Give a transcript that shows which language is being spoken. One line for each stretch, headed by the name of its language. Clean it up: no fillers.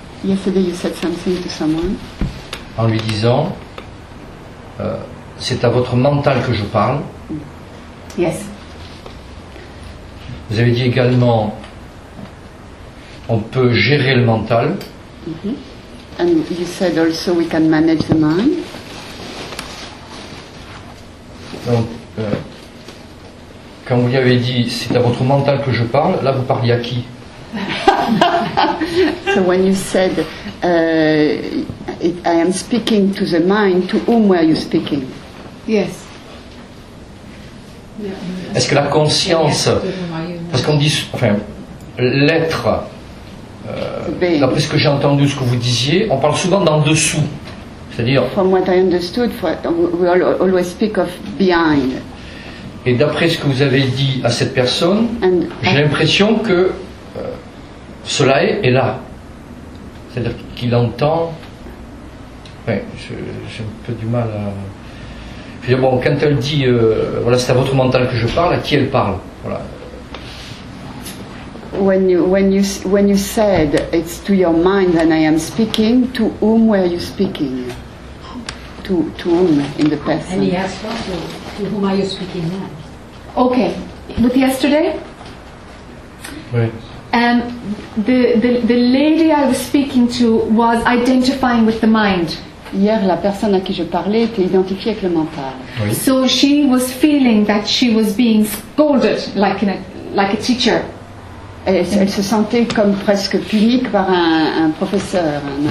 English: Yesterday you said something to someone.
French: En lui disant, c'est à votre mental que je parle.
English: Yes.
French: Vous avez dit également, on peut gérer le mental.
English: And you said also we can manage the mind.
French: Donc, quand vous lui avez dit, c'est à votre mental que je parle, là vous parliez à qui?
English: So when you said, I am speaking to the mind, to whom were you speaking? Yes.
French: Est-ce que la conscience, parce qu'on dit, enfin, l'être, d'après ce que j'ai entendu, ce que vous disiez, on parle souvent d'en dessous, c'est-à-dire...
English: From what I understood, we always speak of behind.
French: Et d'après ce que vous avez dit à cette personne, and j'ai l'impression que cela est là. C'est-à-dire qu'il entend... Ouais, j'ai un peu du mal à... Bon, quand elle dit, voilà, c'est à votre mental que je parle, à qui elle parle, voilà.
English: When you said it's to your mind and I am speaking, to whom were you speaking? To whom in the past? And he asked also, to whom are you speaking now? Okay, with yesterday. Right. And the lady I was speaking to was identifying with the mind.
French: Hier, la personne à qui je parlais était identifiée avec le mental. Oui.
English: So she was feeling that she was being scolded like a teacher.
French: Elle se sentait comme presque punie par un professeur.